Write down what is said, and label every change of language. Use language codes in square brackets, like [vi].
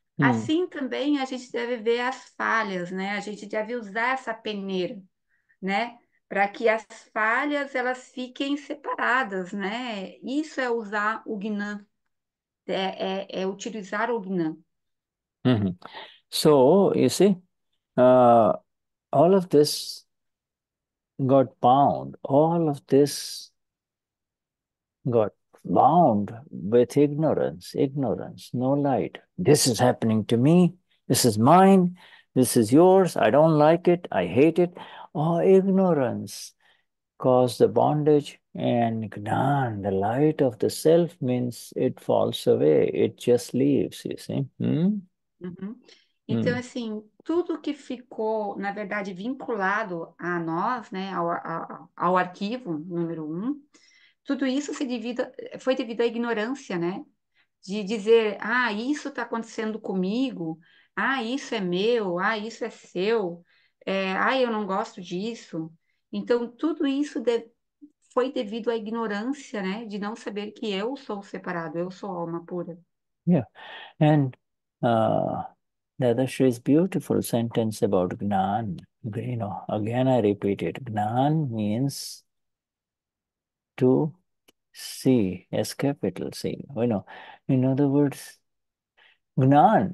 [pt] Assim também a gente deve ver as falhas, né? A gente deve usar essa peneira, né? Para que as falhas elas fiquem separadas, né? Isso é usar o Gnan, é utilizar o Gnan. [en] So, you see, all of this got bound, all of this got bound with ignorance, ignorance, no light. This is happening to me, this is mine, this is yours, I don't like it, I hate it. Oh, ignorance caused the bondage, and Gnan, the light of the self, means it falls away, it just leaves, you see. [pt] Então, assim, tudo que ficou, na verdade, vinculado a nós, né, ao arquivo número um, tudo isso foi devido à ignorância, né, de dizer, ah, isso está acontecendo comigo, ah, isso é meu, ah, isso é seu, eu não gosto disso. Então, tudo isso foi devido à ignorância, né, de não saber que eu sou separado, eu sou alma pura. [en] Yeah, and the other Shri's beautiful sentence about Gnan. You know, again I repeat it. Gnan means to see, S capital C. You know, in other words, Gnan.